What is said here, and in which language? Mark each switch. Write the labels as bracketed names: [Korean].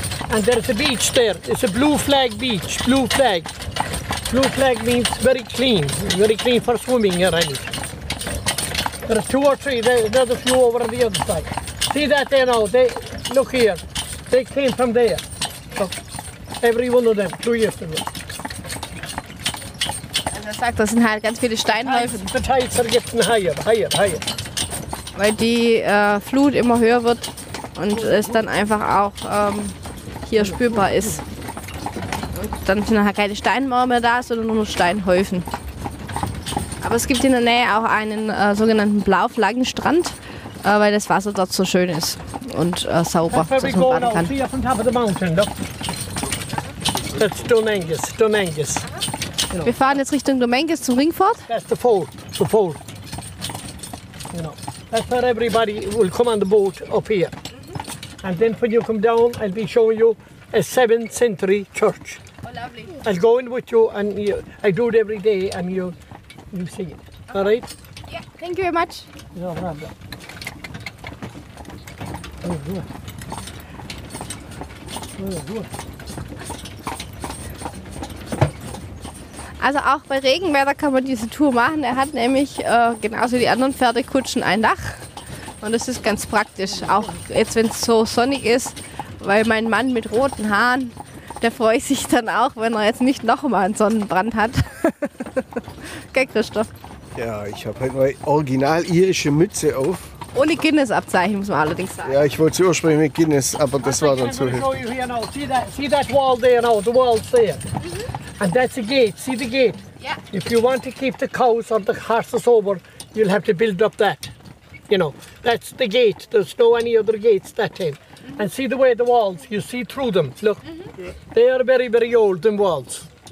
[English] And there's a beach there. It's a blue flag beach. Blue flag. Blue flag means very clean for swimming here. There are two or three, there's a few over on the other side. See that there now, they, look here, they came from there. So, every one of them, 2 years ago. [German] Also er sagt, das sind halt ganz viele Steinhäufen. [English] The tides are getting higher. [German] Weil die Flut immer höher wird und es dann einfach auch hier spürbar ist. Dann sind nachher keine Steinmauer mehr da, sondern nur Steinhäufen. Aber es gibt in der Nähe auch einen sogenannten Blauflaggenstrand, weil das Wasser dort so schön ist und sauber, dass man baden kann. Das ist Dominguez. Wir fahren jetzt Richtung Dominguez zum Ringfort. Das ist der Fort. Das ist, wo jeder auf dem Boot kommen wird. Und dann, wenn du kommst, werde ich dir eine 7. Century Church zeigen. [English] Lovely. I'll go in with you and you, I do it every day and you see it. Okay. All right? Yeah, thank you very much. No problem. Oh, good. Oh, good. [German] Also auch bei Regenwetter kann man diese Tour machen. Er hat nämlich genauso wie die anderen Pferdekutschen ein Dach. Und das ist ganz praktisch. Auch jetzt, wenn es so sonnig ist, weil mein Mann mit roten Haaren, der freut sich dann auch, wenn er jetzt nicht noch mal einen Sonnenbrand hat. Gell, Christoph? Ja, ich habe halt meine original irische Mütze auf. Ohne Guinness-Abzeichen, muss man allerdings sagen. Ja, ich wollte sie ursprünglich mit Guinness, aber das war dann zu heftig. [English] See that wall there now, the wall's there. Mm-hmm. And that's a gate, see the gate? Yeah. If you want to keep the cows or the horses over, you'll have to build up that. You know, that's the gate, there's no any other gates that in. And see the way the walls, you see through them, look. Mm-hmm. They are very, very old, them walls.